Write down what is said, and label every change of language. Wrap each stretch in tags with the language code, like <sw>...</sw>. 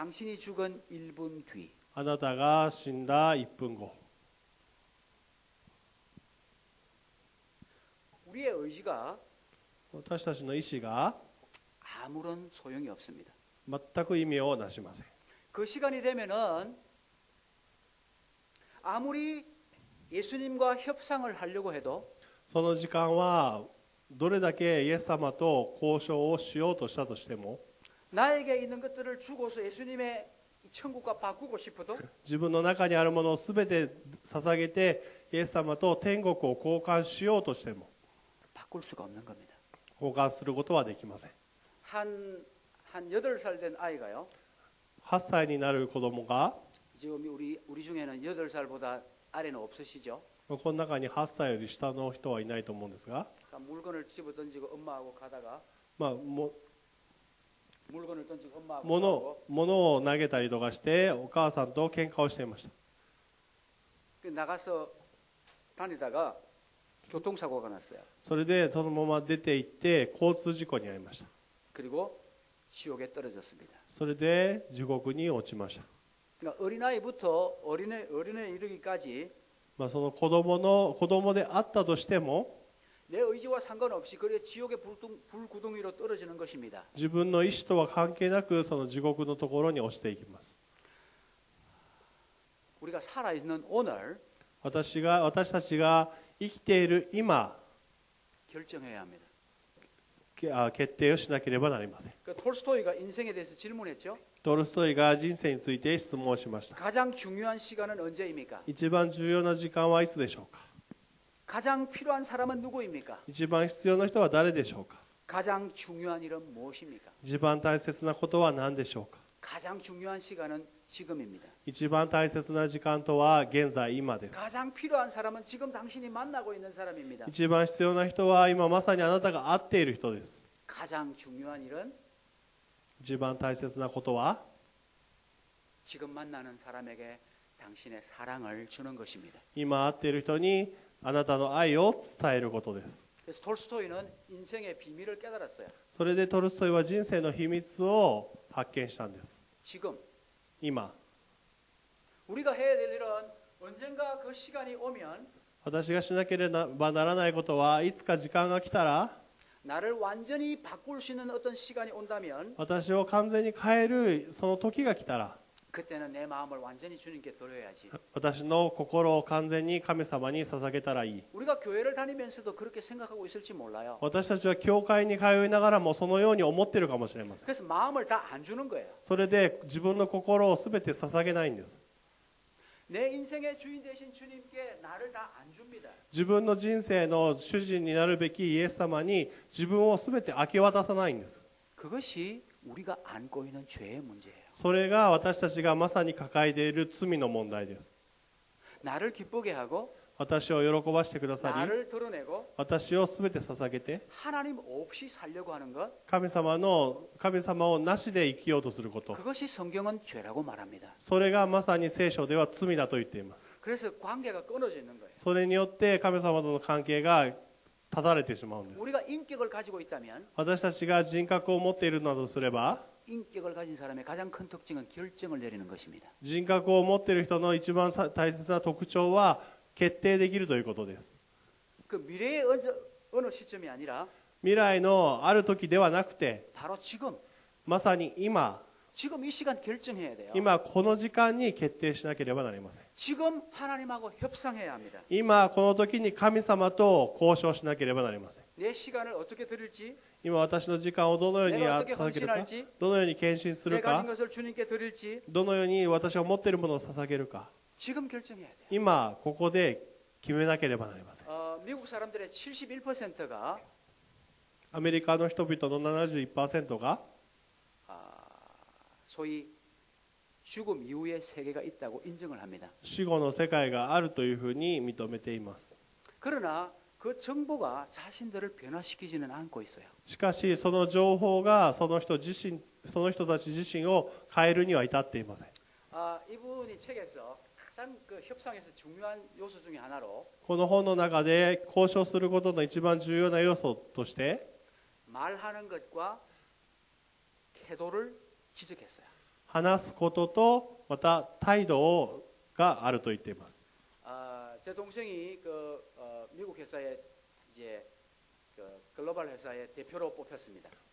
<ko>당신이죽은1분뒤</ko> <ja>あなたが死んだ1分後</ja> <ko>우리의의지가</ko> <ja>私たちの意思が</ja> <ko>아무런소용이없습니다。</ko> <ja>全く意味をなしません。</ja> <ko>그시간이되면은아무리예수님과협상을하려고해도</ko> <ja>その時間はどれだけイエス様と交渉をしようとしたとしても</ja> <ko>나에게있는것들을주고서예수님의이천국과바꾸고싶어도</ko> <ja>自分の中にあるものをすべて捧げてイエス様と天国を交換しようとしても</ja> <ko>바꿀수가없는겁니다。</ko> <ja>交換することはできません。</ja> <ko>한8살된아이가요</ko> <ja>8살になる子供が</ja> <ko>지금우리중에는8살보다아래는없으시죠。</ko> <ja>この中に8歳より下の人はいないと思うんですが</ja> <ko>물건을집어던지고엄마하고가다가</ko> <ja>まあも</ja> <ko>물건을던지고엄마하고</ko> <ja>物を投げたりとかしてお母さんと喧嘩をしていました。</ja> <ko>나가서다니다가 교통사고가났어요 그래서</ko> <ja>そのまま出て行って交通事故に遭いました</ja> <ko>그리고지옥에떨어졌습니다</ko> <ja>それで地獄に落ちました</ja> <ko>그러니까어린아이부터어린애어린애이르기까지</ko> <ja>まあその子供の子供であったとしても</ja> <ko>내의지와상관없이그래지옥의 불구덩이로떨어지는것입니다</ko> <ja>自分の意思とは関係なくその地獄のところに落ちていきます</ja> <ko>우리가살아있는오늘</ko> <ja>私たちが生きている今</ja> <ko>결정해야합니다</ko> <ja>決定をしなければなりません</ja> <ko>トルストイが인생에대해서질문했죠</ko> <ja>トルストイが人生について質問しました</ja> <ko>가장중요한시간은언제입니까</ko> <ja>一番重要な時間はいつでしょうか</ja> <ko>가장필요한사람은누구입니까</ko> <ja>一番必要な人は誰でしょうか</ja> <ko>가장중요한일은무엇입니까</ko> <ja>一番大切なことは何でしょうか</ja> <ko>가장중요한시간은지금입니다</ko> <ja>一番大切な時間とは現在今です</ja> <ko>가장필요한사람은지금당신이만나고있는사람입니다</ko> <ja>一番必要な人は今まさにあなたが会っている人です</ja> <ko>가장중요한일은</ko> <ja>一番大切なことは</ja> <ko>지금만나는사람에게당신의사랑을주는것입니다</ko> <ja>今会っている人にあなたの愛を伝えることです</ja> <ko>그래서톨스토이는인생의비밀을깨달았어요</ko> <ja>それでトルストイは人生の秘密を発見したんです</ja> <ko>지금</ko> <ja>今</ja> <ko>우리가해야될일은언젠가그시간이오면</ko> <ja>私がしなければならないことはいつか時間が来たら</ja> <ko>나를완전히바꿀수있는어떤시간이온다면</ko> <ja>私を完全に変えるその時が来たら</ja> <ko>그때는내마음을완전히주님께돌려야지</ko> <ja>私の心を完全に神様に捧げたらいい</ja> <ko>우리가교회를다니면서도그렇게생각하고있을지몰라요</ko> <ja>私たちは教会に通いながらもそのように思ってるかもしれません</ja> <ko>그래서마음을다안주는거예요</ko> <ja>それで自分の心を全て捧げないんです</ja> <ko>내인생의주인대신주님께나를다안줍니다</ko> <ja>自分の人生の主人になるべきイエス様に自分を全て明け渡さないんです</ja> <ko>그것이우리가안고있는죄의문제예요</ko> <ja>それが私たちがまさに抱えている罪の問題です</ja> <ko>나를기쁘게하고</ko> <ja>私を喜ばしてくださり</ja> <ko>나를드러내고</ko> <ja>私を全て捧げて</ja> <ko>하나님없이살려고하는것</ko> <ja>神様をなしで生きようとすること</ja> <ko>그것이성경은죄라고말합니다</ko> <ja>それがまさに聖書では罪だと言っています</ja> <ko>그래서관계가끊어져있는거예요</ko> <ja>それによって神様との関係が断たれてしまうんです</ja> <ko>우리가인격을가지고있다면</ko> <ja>私たちが人格を持っているなどすれば</ja> <ko>인격을가진사람의가장큰특징은결정을내리는것입니다</ko> <ja>人格を持っている人の一番大切な特徴は決定できるということです。</ja> <ko>그미래의언제어느시점이아니라 미래의</ko> <ja>ある時ではなくて</ja> <ko>바로지금</ko> <ja>まさに今</ja> <ko>지금이시간결정해야돼요</ko> <ja>今この時間に決定しなければなりません</ja> <ko>지금하나님하고협상해야합니다</ko> <ja>今この時に神様と交渉しなければなりません</ja> <ko>내시간을어떻게드릴지</ko> <ja>今私の時間をどのように</ja> <ko>내가어떻게헌신할지</ko> <ja>どのように献身するか</ja> <ko>내가가진것을주님께드릴지</ko> <ja>どのように私が持っているものを捧げるか</ja> <ko>지금결정해야돼요</ko> <ja>今ここで決めなければなりません</ja> <ko>미국사람들의 71% 가</ko> <ja>アメリカの人々の 71% が</ja> <ko>소위죽음이후의세계가있다고인정을합니다</ko> <ja>死後の世界があるというふうに認めています</ja> <ko>그러나그정보가자신들을변화시키지는않고있어요</ko> <ja>しかしその情報がその人自身その人たち自身を変えるには至っていません</ja> <ko>이분이책에서그협상에서중요한요소중에하나로 이책</ko> <ja>の中で交渉することの一番重要な要素として</ja> <ko>말하는것과태도를기적했어요</ko> <ja>話すこととまた態度があると言っています</ja> <ko>제동생이그미국회사의이제그글로벌회사의대표로뽑혔습니다</ko>